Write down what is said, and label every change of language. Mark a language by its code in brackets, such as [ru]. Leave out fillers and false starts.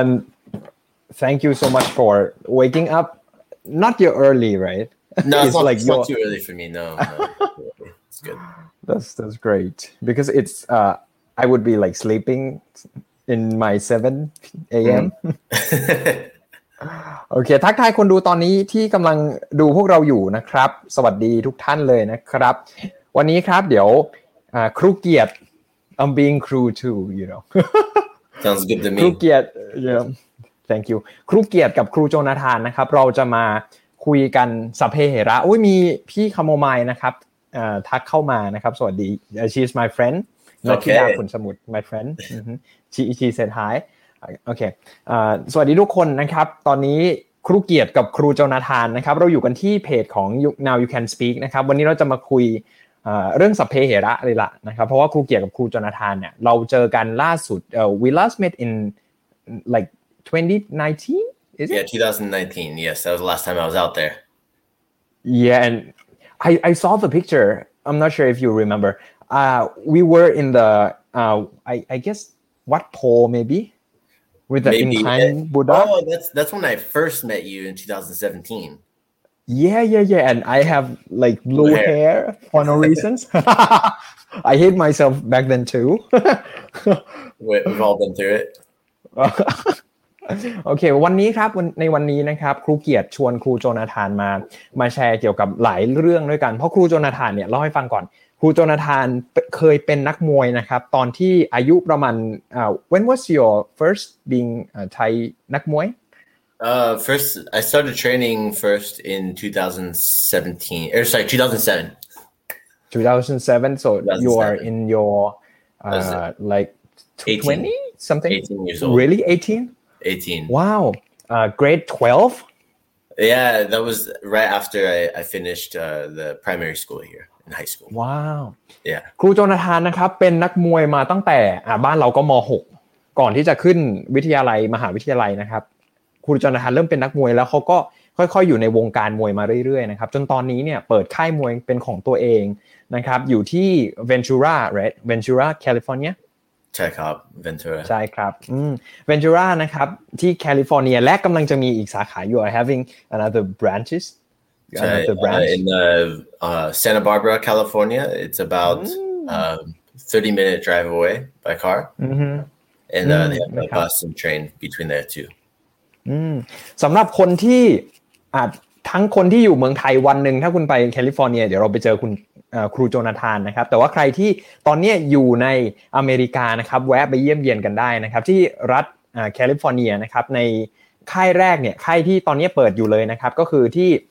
[en] And thank you so much for waking up. Not too early, right? No, it's not too early for me. No, it's good. That's great because it's I would be like sleeping in my 7 a.m. [th] โอเคทักทายคนดูตอนนี้ที่กำลังดูพวกเราอยู่นะครับสวัสดีทุกท่านเลยนะครับวันนี้ครับเดี๋ยวครูเกียรติ [en] I'm being crew too you know sounds good to me [th] ครูเกียรติ [en] yeah thank you [th] ครูเกียรติกับครูโจนาธานนะครับเราจะมาคุยกันสัพเพเหระอุ้ยมีพี่คาโมไมล์นะครับทักเข้ามานะครับสวัสดี [en] she's my friend [th] นักกีฬาขุนสมุทร [en] my friend she said hi [th] โอเคสวัสดีทุกคนนะครับตอนนี้ครูเกียรติกับครูโจนาธานนะครับเราอยู่กันที่เพจของ Now You Can Speak นะครับวันนี้เราจะมาคุยเรื่องสัพเพเหระเลยล่ะนะครับเพราะว่าครูเกียรติกับครูโจนาธานเนี่ยเราเจอกันล่าสุด [en] we last met in like 2019 is it yeah 2019 yes that was the last time I was out there yeah and I saw the picture. I'm not sure if you remember. We were in the I guess what pole maybe with the incline Buddha. Oh, that's when I first met you in 2017. Yeah. And I have like blue hair for no reasons. I hate myself back then too. We've all been through it. [th] โอเควันนี้ครับในวันนี้นะครับครูเกียรติชวนครูโจนาธานมาแชร์เกี่ยวกับหลายเรื่องด้วยกันเพราะครูโจนาธานเนี่ยเล่าให้ฟังก่อนครูโจนาธานเคยเป็นนักมวยนะครับตอนที่อายุประมาณ [en] when was your first being Thai [th] นักมวย [en] first I started training first in 2017 or sorry 2007 so you are in your like 20 something 18 years old really 18Wow. Grade 12? Yeah, that was right after I finished the primary school here in high school. Wow. Yeah. [th] ครูโจนาธานนะครับเป็นนักมวยมาตั้งแต่บ้านเราก็ม6ก่อนที่จะขึ้นวิทยาลัยมหาวิทยาลัยนะครับครูโจนาธานเริ่มเป็นนักมวยแล้วเขาก็ค่อยๆอยู่ในวงการมวยมาเรื่อยๆนะครับจนตอนนี้เนี่ยเปิดค่ายมวยเป็นของตัวเองนะครับอยู่ที่ Ventura, right? [en] Ventura, California. [th] ใช่ครับ Ventura ใช่ครับVentura นะครับที่แคลิฟอร์เนียและกำลังจะมีอีกสาขา [en] you are having another branches ใช่ branch. In Santa Barbara California it's about 30 minute drive away by car and they have a bus and train between there too [th] สำหรับคนที่ทั้งคนที่อยู่เมืองไทยวันหนึ่งถ้าคุณไปแคลิฟอร์เนียเดี๋ยวเราไปเจอคุณครูโจนาธานนะครับแต่ว่าใครที่ตอนนี้อยู่ในอเมริกานะครับแวะไปเยี่ยมเยียนกันได้นะครับที่รัฐแคลิฟอร์เนียนะครับในค่ายแรกเนี่ยค่ายที่ตอนนี้เปิดอยู่เลยนะครับก็คือที่